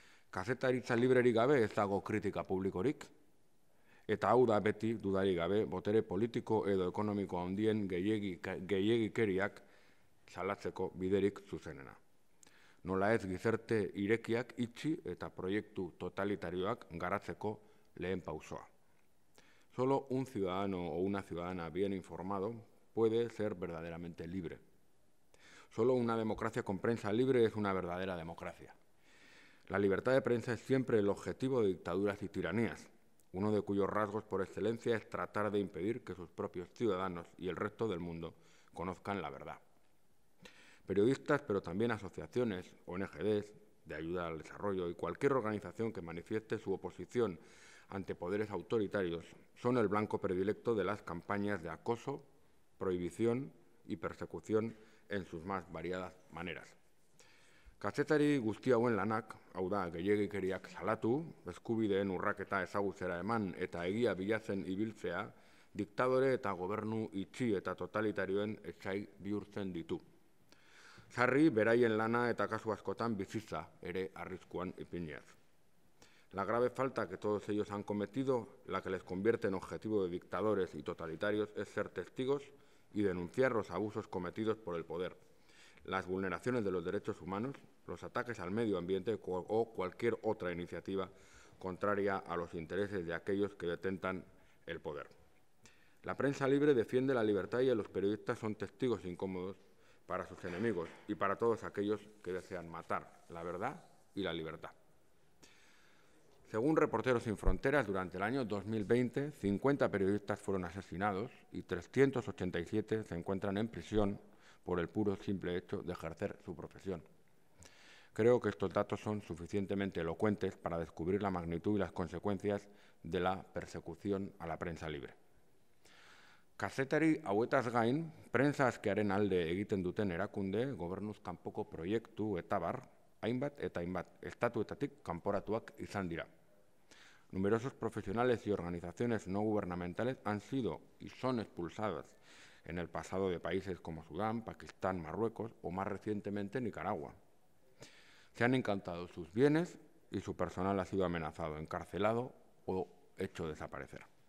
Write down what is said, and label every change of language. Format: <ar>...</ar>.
<eu>Kazetaritza librerik gabe ez dago kritika publikorik, eta hau da beti dudarik gabe botere politiko edo ekonomiko handien gehiegikeriak salatzeko biderik zuzenena. Nola ez gizarte irekiak itxi eta proiektu totalitarioak garatzeko lehen pausoa.</eu> <es>Solo un ciudadano o una ciudadana bien informado puede ser verdaderamente libre. Solo una democracia con prensa libre es una verdadera democracia. La libertad de prensa es siempre el objetivo de dictaduras y tiranías, uno de cuyos rasgos por excelencia es tratar de impedir que sus propios ciudadanos y el resto del mundo conozcan la verdad. Periodistas, pero también asociaciones, ONGs de ayuda al desarrollo y cualquier organización que manifieste su oposición ante poderes autoritarios, son el blanco predilecto de las campañas de acoso, prohibición y persecución en sus más variadas maneras.</es> <eu>Kazetari guzti hauen lanak, hau da, gehiegikeriak salatu, eskubideen urraketa ezagutzera eman eta egia bilatzen ibiltzea, diktadore eta gobernu itxi eta totalitarioen etsai bihurtzen ditu. Sarri, beraien lana eta kasu askotan bizitza ere arriskuan ipiniaz.</eu> <es>La grave falta que todos ellos han cometido, la que les convierte en objetivo de dictadores y totalitarios, es ser testigos y denunciar los abusos cometidos por el poder, las vulneraciones de los derechos humanos, los ataques al medio ambiente o cualquier otra iniciativa contraria a los intereses de aquellos que detentan el poder. La prensa libre defiende la libertad y los periodistas son testigos incómodos para sus enemigos y para todos aquellos que desean matar la verdad y la libertad. Según Reporteros sin Fronteras, durante el año 2020, 50 periodistas fueron asesinados y 387 se encuentran en prisión por el puro simple hecho de ejercer su profesión. Creo que estos datos son suficientemente elocuentes para descubrir la magnitud y las consecuencias de la persecución a la prensa libre.</es> <eu>Kazetari hauetaz gain, prensa askearen alde egiten duten erakunde, gobernuz kanpoko proiektu eta bar, hainbat eta hainbat estatuetatik kanporatuak izan dira.</eu> <es>Numerosos profesionales y organizaciones no gubernamentales han sido y son expulsadas en el pasado de países como Sudán, Pakistán, Marruecos o más recientemente Nicaragua. Se han incautado sus bienes y su personal ha sido amenazado, encarcelado o hecho desaparecer.</es>